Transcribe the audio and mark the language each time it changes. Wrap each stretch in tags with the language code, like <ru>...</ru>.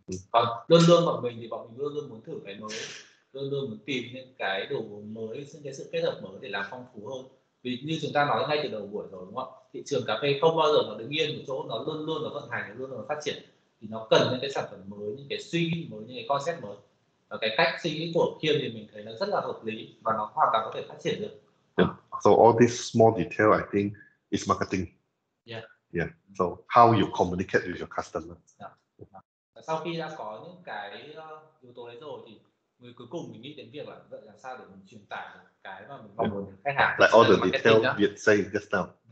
<vi>Còn luôn luôn bọn mình thì bọn mình luôn luôn muốn thử cái mới, luôn luôn muốn tìm những cái đồ mới, những cái sự kết hợp mới để làm phong phú hơn. Vì như chúng ta nói ngay từ đầu buổi rồi đúng không ạ, thị trường cà phê không bao giờ nó đứng yên một chỗ, nó luôn luôn nó vận hành, luôn luôn nó phát triển, thì nó cần những cái sản phẩm mới, những cái suy nghĩ mới, những cái concept mới. Và cái cách suy nghĩ của Kiên thì mình thấy nó rất là hợp lý và nó hoàn toàn có thể phát triển được.</vi> <en>Yeah. So all these small detail I think is marketing. Yeah. Yeah. So how you communicate with your customer. Yeah.</en> <vi>Sau khi đã có những cái yếu tố đấy rồi thì người cuối cùng mình nghĩ đến việc là vậy làm sao để mình truyền tải cái mà mình mong muốn khách hàng.</vi> <en>Like all the detail Việt say just now.</en>